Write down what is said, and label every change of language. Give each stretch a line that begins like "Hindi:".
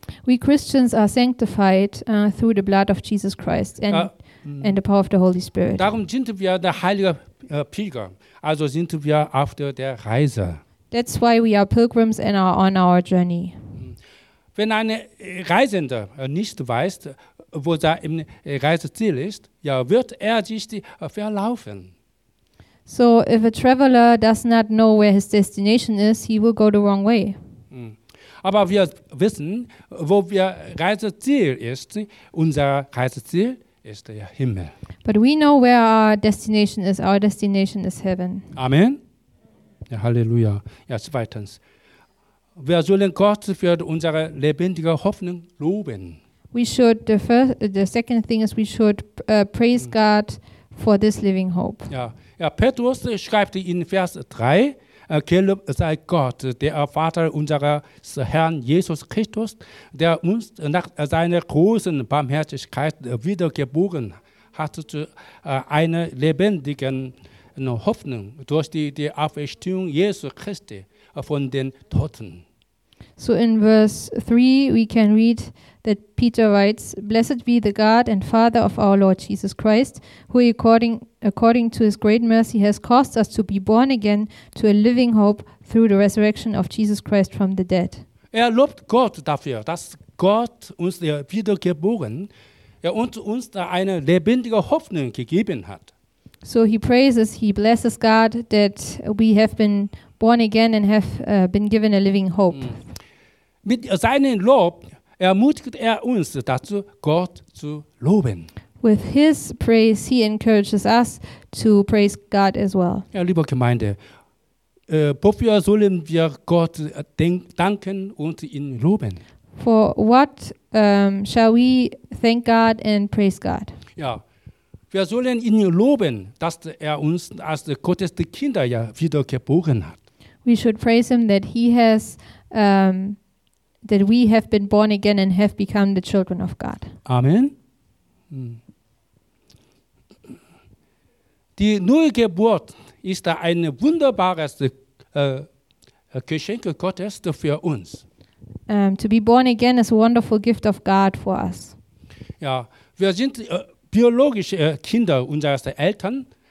English: We Christians are sanctified through the blood of Jesus Christ and and the power of the Holy Spirit.
German: Darum sind wir der Heilige Pilger, also sind wir auf der Reise.
English: That's why we are pilgrims and are on our journey.
German: Wenn ein Reisender nicht weiß, wo da im Reiseziel ist, ja, wird er sich verlaufen.
English: So if a traveler does not know where his destination is, he will go the wrong way.
German: Aber wir wissen, wo wir Reiseziel ist, unser Reiseziel ist der Himmel.
English: But we know where our destination is heaven.
German: Amen. Ja, Halleluja. Ja, zweitens. Wir sollen Gott für unsere lebendige Hoffnung loben.
English: We should praise God for this living hope.
German: Ja, ja, Petrus schreibt in Vers 3, gelobt sei Gott, der Vater unseres Herrn Jesus Christus, der uns nach seiner großen Barmherzigkeit wiedergeboren hat zu einer lebendigen Hoffnung durch die Auferstehung Jesu Christi von den Toten.
English: So in verse 3 we can read that Peter writes, Blessed be the God and Father of our Lord Jesus Christ, who according to his great mercy has caused us to be born again to a living hope through the resurrection of Jesus Christ from the dead.
German: Er lobt Gott dafür, dass Gott uns wiedergeboren und uns da eine lebendige Hoffnung gegeben hat.
English: So he blesses God that we have been born again and have been given a living hope.
German: Mit seinem Lob ermutigt uns dazu, Gott zu loben.
English: With his praise, he encourages us to praise God as well.
German: Ja, liebe Gemeinde, wofür sollen wir Gott danken und ihn loben?
English: For what shall we thank God and praise God?
German: Ja, wir sollen ihn loben, dass uns als Gottes Kinder ja wiedergeboren hat.
English: We should praise him that he has that we have been born again and have become the children of God. Amen.
German: Die Neugeburt ist ein wunderbares Geschenk Gottes für uns.
English: To be born again is a wonderful gift of God for us.
German: Ja, wir sind biologische Kinder unseres Eltern.